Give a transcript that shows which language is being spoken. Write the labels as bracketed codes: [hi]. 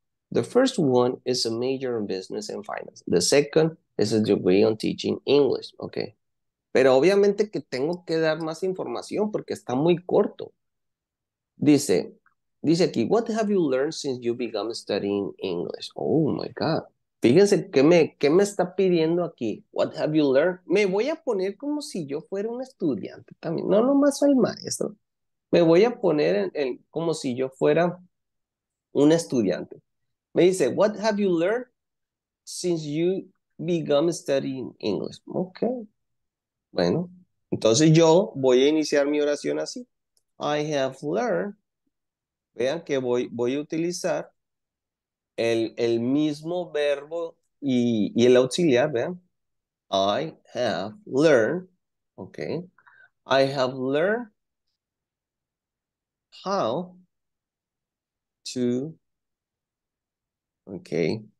[en] The first one is a major in business and finance. The second is a degree on teaching English. Okay. [es] Pero obviamente que tengo que dar más información porque está muy corto. Dice aquí, [en] what have you learned since you began studying English? Oh my God. [es] Fíjense qué me está pidiendo aquí. [en] What have you learned? [es] Me voy a poner como si yo fuera un estudiante también. No nomás soy maestro. Me voy a poner en como si yo fuera un estudiante. Me dice, [en] what have you learned since you began studying English? Okay. [es] Bueno, entonces yo voy a iniciar mi oración así. [en] I have learned. [es] Vean que voy a utilizar el mismo verbo y el auxiliar, ¿vean? [en] I have learned, okay. I have learned how to, okay.